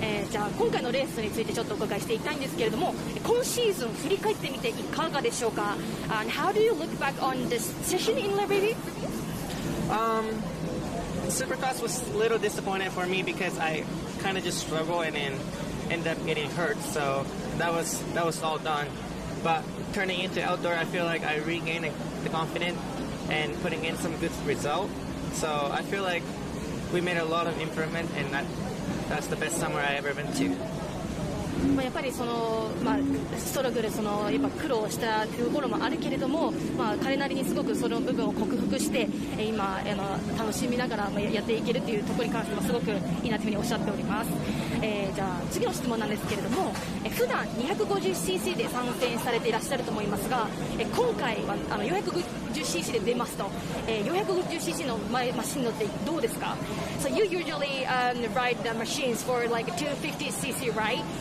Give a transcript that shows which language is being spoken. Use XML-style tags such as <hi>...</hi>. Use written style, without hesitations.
<ja>じゃあ今回のレースについてちょっとお伺いしていきたいんですけれども、今シーズン振り返ってみていかがでしょうか？</ja> <en>And how do you look back on this session in Liberty? Supercross was a little disappointing for me because I kind of just struggled and then ended up getting hurt, so that was all done. But turning into outdoor, I feel like I regained the confidence and putting in some good result, so I feel likeWe made a lot of improvement, and that's the best summer I ever been to.</en> <ja>まあ、やっぱりその、まあ、ストラグルそのやっぱ苦労したところもあるけれども、まあ、彼なりにすごくその部分を克服して今楽しみながらやっていけるというところに関してもすごくいいなというふうにおっしゃっております。じゃあ次の質問なんですけれども、普段 250cc で参戦されていらっしゃると思いますが、今回は450cc で出ますと、450cc のマシン乗ってどうですか？</ja> <en>So you usually ride the machines for like 250cc, right?</en>